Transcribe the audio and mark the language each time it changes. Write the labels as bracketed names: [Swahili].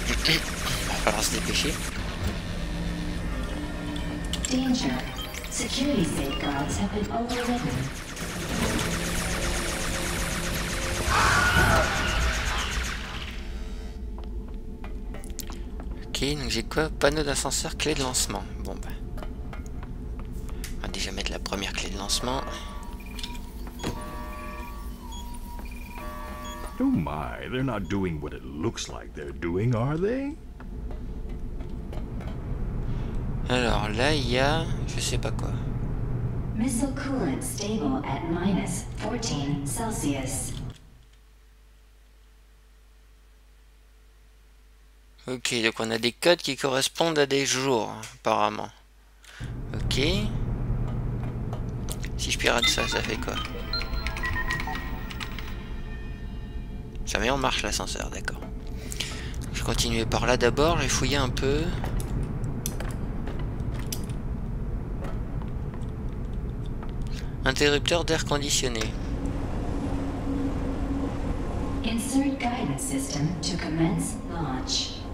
[French] Il va falloir se dépêcher. [English] Danger. Security safeguards have been overridden. [French] Ok, donc j'ai quoi? Panneau d'ascenseur, clé de lancement. Bon ben, on va déjà mettre la première clé de lancement. [English] Oh my, they're not doing what it looks like they're doing, are they? [French] Alors là, il y a, je sais pas quoi. [English] Missile coolant stable at minus 14 Celsius. [French] Ok, donc on a des codes qui correspondent à des jours, apparemment. Ok. Si je pirate ça, ça fait quoi? Ça met en marche l'ascenseur, d'accord. Je continuais par là d'abord, j'ai fouillé un peu. Interrupteur d'air conditionné. [English] Insert guidance system to commence launch.